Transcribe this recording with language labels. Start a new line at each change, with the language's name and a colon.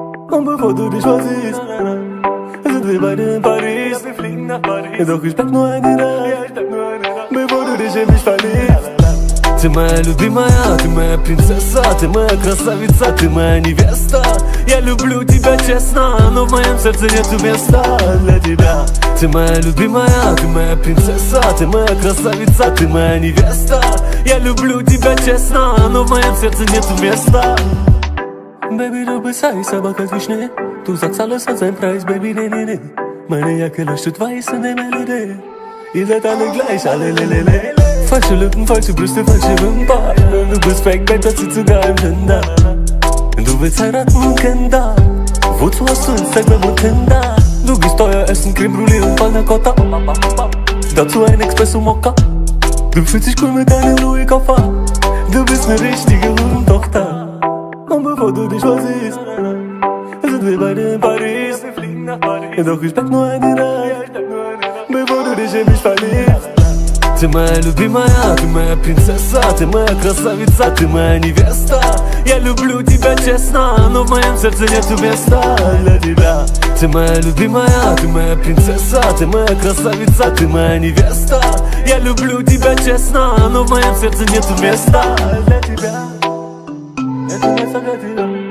German: Und bevor du dich versiehst, sind wir beide in Paris. Ja, wir fliegen nach Paris. Doch ich pack nur eine Nacht, ja, ich pack nur eine Nacht. Bevor du dich in mich verliebst.
Russian: Ты моя любимая, ты моя принцесса, ты моя красавица, ты моя невеста. Я люблю тебя честно, но в моем сердце нету места для тебя. Ты моя любимая, ты моя принцесса, ты моя красавица, ты моя невеста. Я люблю тебя честно, но в моем сердце нету места.
German: Baby, du bist heiß, aber kalt wie Schnee. Du sagst alles hat seinen Preis, baby, nee, nee, nee. Meine Jacke leuchtet weiß in der Melodie. Ihr seid alle gleich, alle le, le, le. Falsche Lippen, falsche Brüste, falsche Wimpern. Du bist fake, babe, das sieht sogar im Tinder. Du willst heiraten, Kinder. Wozu hast du Instagram und Tinder? Du gehst teuer essen, Creme Brulee und Panna Cotta. Dazu ein Espresso Mokka. Du fühlst dich cool mit deinem Louis Koffer. Du bist ne richtige Hundentochter. Und bevor du dich versiehst, sind wir beide in Paris. Wir fliegen nach Paris. Doch ich pack nur eine Reihe, ja, ich pack nur eine Reihe. Bevor du dich in mich verliebst.
Russian: Ты моя любимая, ты моя принцесса, ты моя красавица, ты моя невеста. Я люблю тебя честно, но в моем сердце нету места для тебя. Ты моя любимая, ты моя принцесса, ты моя красавица, ты моя невеста. Я люблю тебя честно, но в моем сердце нету места для тебя. Нету места для тебя.